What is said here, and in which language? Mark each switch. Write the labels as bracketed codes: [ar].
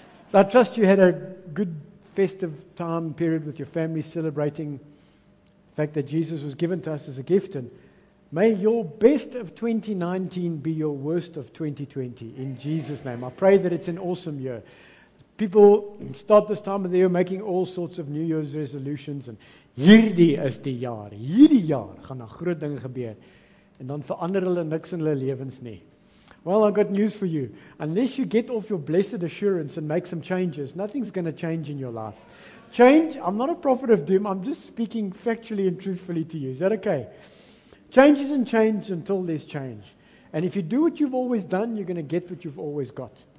[en] So I trust you had a good festive time period with your family celebrating the fact that Jesus was given to us as a gift. And may your best of 2019 be your worst of 2020 in Jesus' name. I pray that it's an awesome year. People start this time of the year making all sorts of New Year's resolutions. And [af] hierdie is die jaar. Hierdie jaar gaan 'n groot ding gebeur. En dan verander hulle niks in hulle lewens nie. [en] Well, I've got news for you. Unless you get off your blessed assurance and make some changes, nothing's going to change in your life. Change, I'm not a prophet of doom, I'm just speaking factually and truthfully to you. Is that okay? Change isn't change until there's change. And if you do what you've always done, you're going to get what you've always got.